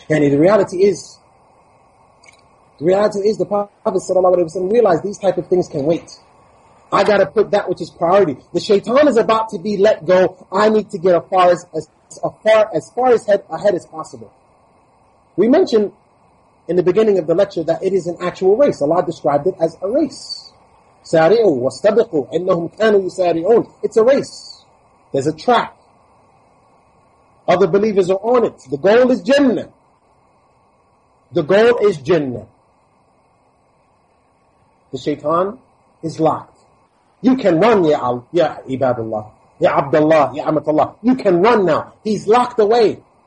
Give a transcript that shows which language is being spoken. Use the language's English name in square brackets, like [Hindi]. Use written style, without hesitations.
[English] And the reality is, the Prophet, sallallahu alayhi wa sallam, realized these type of things can wait. I gotta put that which is priority. The shaitan is about to be let go. I need to get as far ahead as possible. We mentioned in the beginning of the lecture that it is an actual race. Allah described it as a race. [Arabic] سَارِعُوا وَاسْتَبِقُوا إِنَّهُمْ كَانُوا يُسَارِعُونَ [English] It's a race. There's a track. Other believers are on it. The goal is Jannah. The goal is Jannah. The shaitan is locked. You can run, ya Ibadullah, ya Abdullah, ya Amatullah. You can run now. He's locked away.